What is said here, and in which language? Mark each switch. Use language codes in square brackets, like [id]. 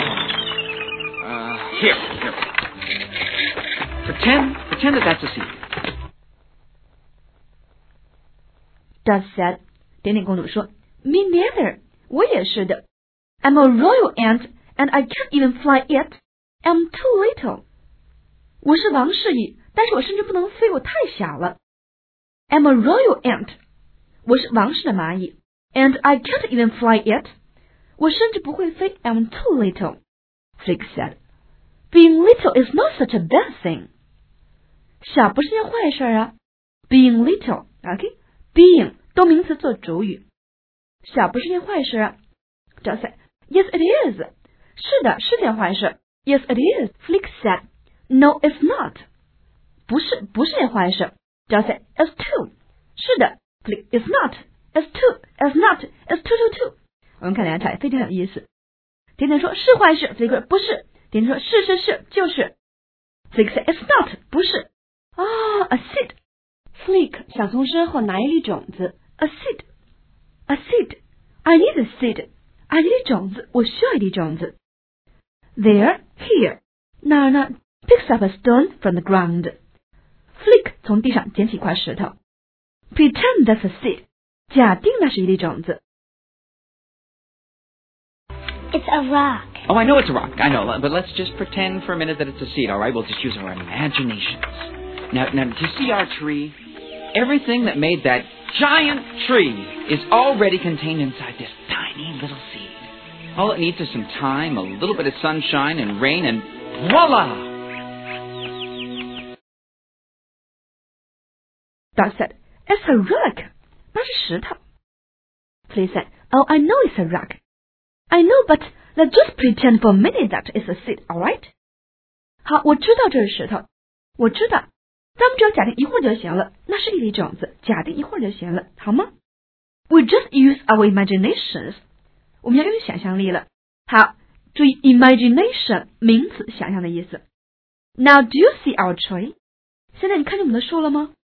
[en] It's two. A seat. I need a seat. Here. Pretend that that's a seat. Dot said, [zh] 点点公主说 [en] Me neither. [zh] 我也是的。 [en] I'm a royal ant, and I can't even fly yet. I'm too little. [zh] 我是王室蚁，但是我甚至不能飞，我太小了。 [en] I'm a royal ant. [zh] 我是王室的蚂蚁。 [en] And I can't even fly yet. [zh] 我甚至不会飞。 [en] I'm too little. Flick said. Being little is not such a bad thing. [zh] 小不是件坏事啊。 [en] Being little, okay? [zh] Being, 动名词做主语。小不是件坏事啊。Joseph, [en] yes it is. [zh] 是的是件坏事。 [en] Yes it is, Flick said. No, it's not. [zh] 不是不是件坏事。Joseph, [en] it's too. [zh] 是的 [en] Flick, it's not. It's too, it's not, it's too, too, too. [zh] 我们看两条非常有意思。甜甜说是坏事 Flick 不是。甜甜说是是是就是。 [en] Flick said, it's not, [zh] 不是。 [en] Ah,、oh, a seed. [zh] Flick 想从身后拿一粒种子。 [en] A seed. A seed. I need a seed. I need [zh] 种子我需要一粒种子。 [en] There, here. [zh] 那儿呢 [en] picks up a stone from the ground. [zh] Flick 从地上捡起一块石头。 [en] Pretend that's a seed. [zh] 假定那是一粒种子。 [en] It's a rock. Oh, I know it's a rock. I know, but let's just pretend for a minute that it's a seed, all right? We'll just use our imaginations. Now, do you see our tree? Everything that made that giant tree is already contained inside this tiny little seed. All it needs is some time, a little bit of sunshine and rain, and voila! Doc said, it's a rock. [zh] 那是石头。 [en] Please said, oh, I know it's a rock. I know, but... Let's just pretend for a minute that it's a seed, alright? [zh] 好，我知道这是石头。我知道。咱们只要假定一会儿就行了。那是一粒种子，假定一会儿就行了，好吗？ [en] We just use our imaginations. [zh] 我们要用想象力了。好，注意 imagination, 名词想象的意思。 [en] Now do you see our tree? [zh] 现在你看见我们的树了吗？